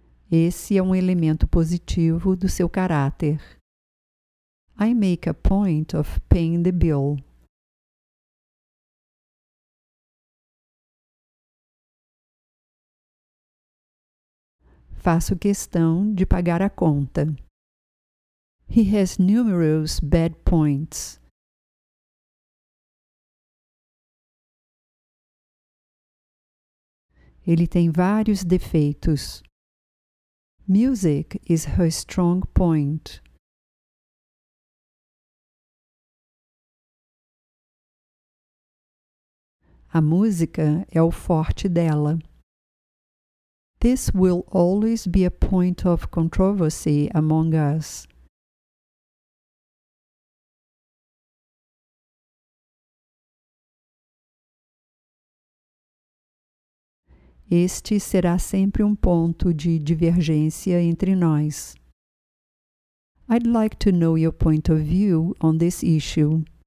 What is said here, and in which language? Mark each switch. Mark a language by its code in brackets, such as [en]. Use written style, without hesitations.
[pt] Esse é um elemento positivo do seu caráter. [en] I make a point of paying the bill. [pt] Faço questão de pagar a conta. [en] He has numerous bad points. [pt] Ele tem vários defeitos. [en] Music is her strong point. [pt] A música é o forte dela. [en] This will always be a point of controversy among us. [pt] Este será sempre um ponto de divergência entre nós. [en] I'd like to know your point of view on this issue.